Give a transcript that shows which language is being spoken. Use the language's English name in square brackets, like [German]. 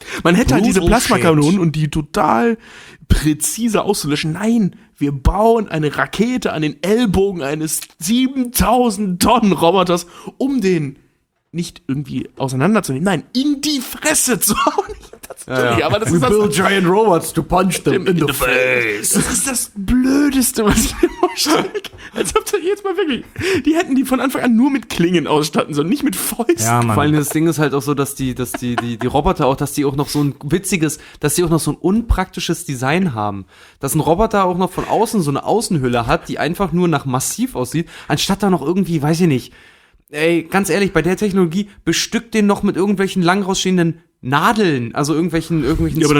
[German] Man hätte halt diese Plasmakanonen und die total präzise auszulöschen. Nein, wir bauen eine Rakete an den Ellbogen eines 7000-Tonnen-Roboters, um den nicht irgendwie auseinanderzunehmen, nein, in die Fresse zu hauen. [English] Build giant robots to punch them in the face. [German] Das ist das Blödeste, was ich mir vorstelle. Als ob sie jetzt mal wirklich, die hätten die von Anfang an nur mit Klingen ausstatten sollen, nicht mit Fäusten. Ja, vor allem das Ding ist halt auch so, dass die Roboter auch, dass sie auch noch so ein unpraktisches Design haben. Dass ein Roboter auch noch von außen so eine Außenhülle hat, die einfach nur nach massiv aussieht, anstatt da noch irgendwie, weiß ich nicht, ey, ganz ehrlich, bei der Technologie bestückt den noch mit irgendwelchen lang rausstehenden Nadeln, also irgendwelchen Spikes. Ja, aber